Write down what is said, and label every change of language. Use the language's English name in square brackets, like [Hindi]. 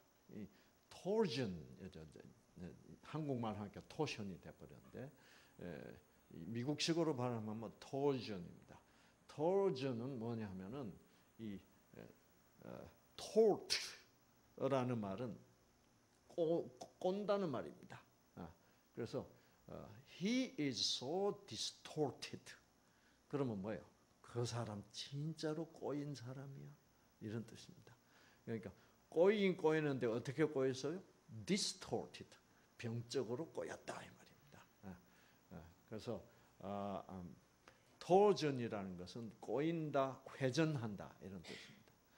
[Korean] 이 토션 한국말 하니까 토션이 돼버렸는데 미국식으로 발음하면 뭐 토전입니다. 토전은 뭐냐면은 이 토트라는 말은 꼰다는 말입니다. 그래서 [English] he is so distorted. [Korean] 그러면 뭐예요? 그 사람 진짜로 꼬인 사람이야 이런 뜻입니다. 그러니까 꼬이긴 꼬이는데 어떻게 꼬였어요? [English] distorted. [Korean] 병적으로 꼬였다 이 말입니다. 그래서 토전이라는 것은 꼬인다, 회전한다 이런 뜻입니다.